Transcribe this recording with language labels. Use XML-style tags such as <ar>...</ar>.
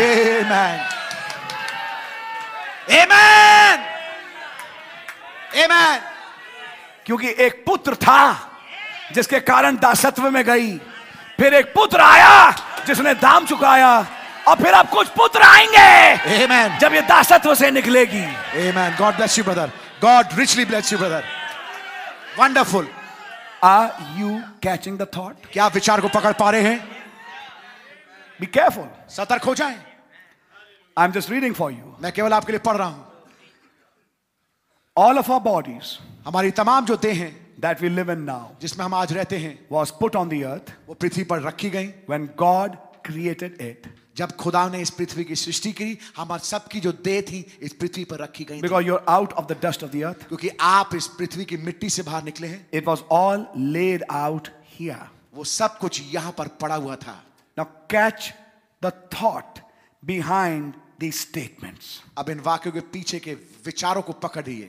<en>Amen. Amen. Amen.</en> <hi>क्योंकि एक पुत्र था जिसके कारण दासत्व में गई, फिर एक पुत्र आया जिसने दाम चुकाया, और फिर अब कुछ पुत्र आएंगे.</hi> <en>Amen.</en> <hi>जब ये दासत्व से निकलेगी.</hi> <en>Amen. God bless you, brother. God richly bless you, brother. Wonderful. Are you catching the thought?</en> <hi>क्या आप विचार को पकड़ पा रहे हैं?</hi> <en>Be careful.</en> <hi>सतर्क हो जाएं.</hi> <en>I'm just reading for you.</en> <hi>मैं केवल आपके लिए पढ़ रहा हूं.</hi> <en>All of our bodies,</en> <hi>हमारी तमाम जो देह हैं,</hi> <en>that we live in now,</en> <hi>जिसमें हम आज रहते हैं,</hi> <en>was put on the earth,</en> <hi>वो पृथ्वी पर रखी गई,</hi> <en>when God created it.</en> <hi>जब खुदा ने इस पृथ्वी की सृष्टि की, हमारे सबकी जो देह थी इस पृथ्वी पर रखी गई.</hi> <en>Because you're out of the dust of the earth.</en> <hi>क्योंकि आप इस पृथ्वी की मिट्टी से बाहर निकले हैं.</hi> <en>It was all laid out here.</en> <hi>वो सब कुछ यहां पर पड़ा हुआ था.</hi> <en>Now catch the thought behind these statements.</en> <hi>अब इन वाक्यों के पीछे के विचारों को पकड़ लिए.</hi>